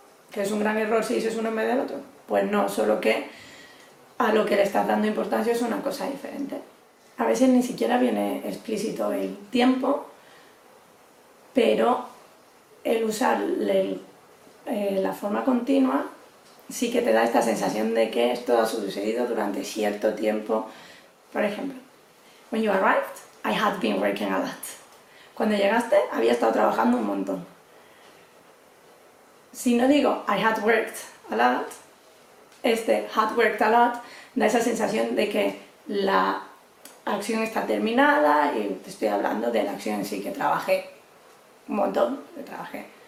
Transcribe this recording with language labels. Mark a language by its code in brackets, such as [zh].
[es] ¿Que es un gran error si dices uno en vez del otro? Pues no, solo que a lo que le estás dando importancia es una cosa diferente. A veces ni siquiera viene explícito el tiempo, pero el usar la forma continua sí que te da esta sensación de que esto ha sucedido durante cierto tiempo. Por ejemplo, [en] when you arrived, I had been working a lot. [es] Cuando llegaste, había estado trabajando un montón. Si no digo [en] I had worked a lot, [es] este had worked a lot da esa sensación de que la acción está terminada y te estoy hablando de la acción en sí, que trabajé un montón, que trabajé.